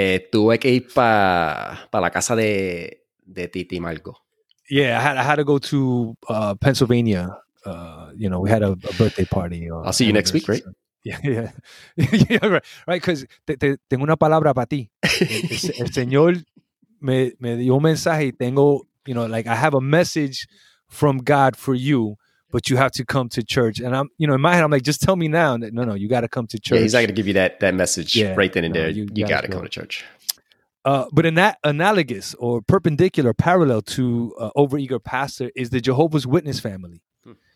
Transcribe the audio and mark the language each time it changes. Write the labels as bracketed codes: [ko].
[es] tuve que ir pa la casa de Titi Marco. [en] Yeah, I had to go to Pennsylvania. You know, we had a birthday party. I'll see you next week, right? Yeah. Right, because [es] tengo una palabra para ti. El Señor me dio un mensaje. Tengo, [en] you know, like, I have a message from God for you, but you have to come to church. And I'm, you know, in my head, I'm like, just tell me now. That, no, you got to come to church. Yeah, he's not going to give you that message right then and there. You got to come to church. But in that analogous or perpendicular parallel to overeager pastor is the Jehovah's Witness family. Hmm.